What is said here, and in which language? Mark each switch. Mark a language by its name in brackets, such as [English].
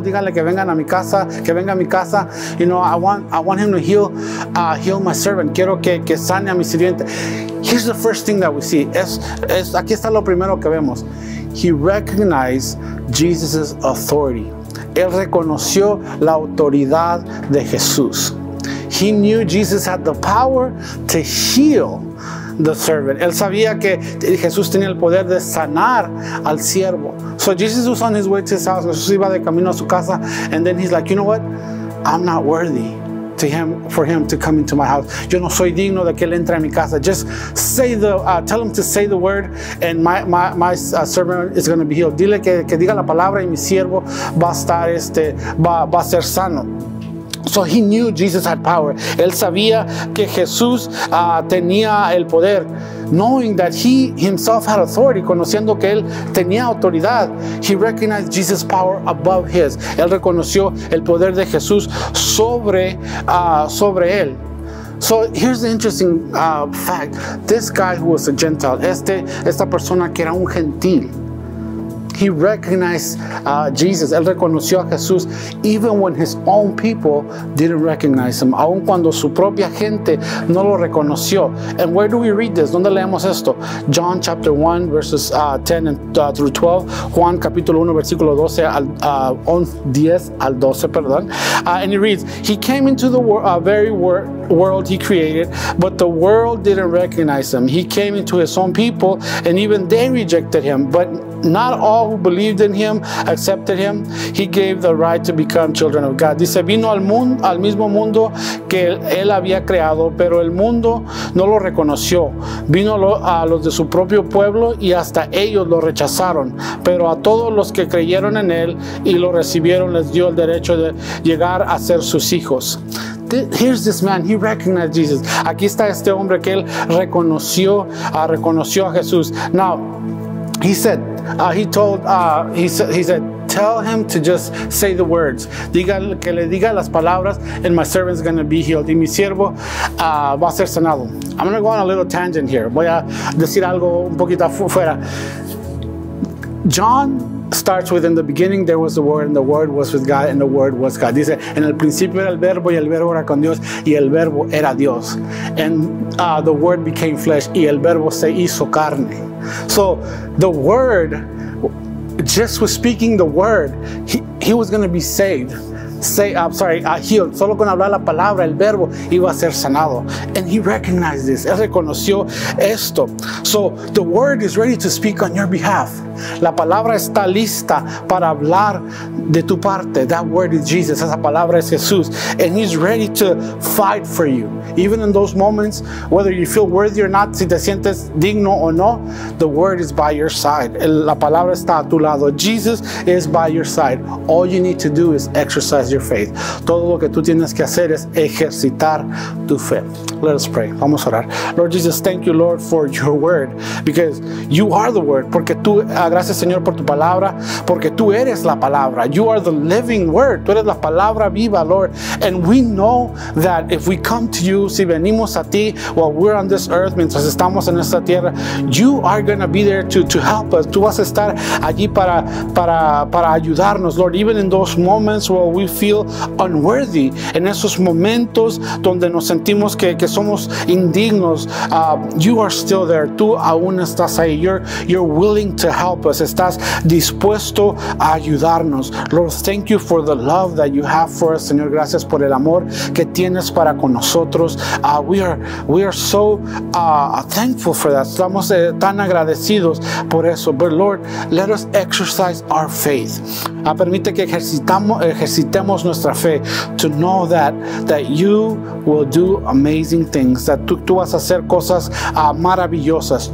[Spanish] Díganle que vengan a mi casa, que venga a mi casa. [English] You know, I want him to heal my servant. [Spanish] Quiero que sane a mi sirviente. [English] Here's the first thing that we see. [Spanish] Aquí está lo primero que vemos. [English] He recognized Jesus' authority. [Spanish] Él reconoció la autoridad de Jesús. [English] He knew Jesus had the power to heal the servant. [Spanish] Él sabía que Jesús tenía el poder de sanar al siervo. [English] So Jesus was on his way to his house. [Spanish] Jesús iba de camino a su casa. [English] And then he's like, you know what? I'm not worthy for him to come into my house. [Spanish] Yo no soy digno de que él entre a mi casa. [English] Just say tell him to say the word, and my servant is going to be healed. [Spanish] Dile que diga la palabra y mi siervo va a estar va a ser sano. [English] So he knew Jesus had power. [Spanish] Él sabía que Jesús tenía el poder. [English] Knowing that he himself had authority, [Spanish] conociendo que él tenía autoridad, [English] he recognized Jesus' power above his. [Spanish] Él reconoció el poder de Jesús sobre él. [English] So here's the interesting fact. This guy who was a Gentile, [Spanish] esta persona que era un gentil, [English] he recognized Jesus. [Spanish] Él reconoció a Jesús [English] even when his own people didn't recognize him. [Spanish] Aun cuando su propia gente no lo reconoció. [English] And where do we read this? [Spanish] ¿Dónde leemos esto? [English] John chapter 1 verses 10 through 12. [Spanish] Juan capítulo 1 versículo 12 al 10 al 12, perdón. [English] And it reads, he came into the world he created, but the world didn't recognize him. He came into his own people, and even they rejected him. But not all who believed in him accepted him. He gave the right to become children of God. [Spanish] Dice, vino al mismo mundo que él había creado, pero el mundo no lo reconoció. Vino a los de su propio pueblo, y hasta ellos lo rechazaron. Pero a todos los que creyeron en él y lo recibieron, les dio el derecho de llegar a ser sus hijos. [English] here's this man, he recognized Jesus. [Spanish] Aquí está este hombre que él reconoció, reconoció a Jesús. [English] Now, he said, he said, tell him to just say the words. [Spanish] Diga, que le diga las palabras, [English] and my servant's going to be healed. [Spanish] Y mi siervo va a ser sanado. [English] I'm going to go on a little tangent here. [Spanish] Voy a decir algo un poquito afuera. [English] John starts with, in the beginning there was the Word, and the Word was with God, and the Word was God. [Spanish] Dice, en el principio era el Verbo, y el Verbo era con Dios, y el Verbo era Dios. [English] And the Word became flesh, [Spanish] y el Verbo se hizo carne. [English] So the Word, just with speaking the Word, he was going to be saved. Healed. [Spanish] Solo con hablar la palabra, el verbo, iba a ser sanado. [English] And he recognized this. [Spanish] Él reconoció esto. [English] So the Word is ready to speak on your behalf. [Spanish] La palabra está lista para hablar de tu parte. [English] That Word is Jesus. [Spanish] Esa palabra es Jesús. [English] And he's ready to fight for you. Even in those moments, whether you feel worthy or not, [Spanish] si te sientes digno o no, [English] the Word is by your side. [Spanish] La palabra está a tu lado. [English] Jesus is by your side. All you need to do is exercise your faith. [Spanish] Todo lo que tú tienes que hacer es ejercitar tu fe. [English] Let us pray. [Spanish] Vamos a orar. [English] Lord Jesus, thank you, Lord, for your Word, because you are the Word. [Spanish] Porque tú, gracias, Señor, por tu palabra, porque tú eres la palabra. [English] You are the living Word. [Spanish] Tú eres la palabra viva, [English] Lord. And we know that if we come to you, [Spanish] si venimos a ti [English] while we're on this earth, [Spanish] mientras estamos en esta tierra, [English] you are going to be there to help us. [Spanish] Tú vas a estar allí para ayudarnos, Lord, [English] even in those moments where we feel unworthy, [Spanish] en esos momentos donde nos sentimos que somos indignos, [English] you are still there. [Spanish] Tú aún estás ahí. [English] You're willing to help us. [Spanish] Estás dispuesto a ayudarnos. [English] Lord, thank you for the love that you have for us. [Spanish] Señor, gracias por el amor que tienes para con nosotros. [English] We are so thankful for that. [Spanish] Estamos tan agradecidos por eso. [English] But Lord, let us exercise our faith. [Spanish] Permite que ejercitemos nuestra fe, [English] to know that you will do amazing things, that [Spanish] tú vas a hacer cosas maravillosas.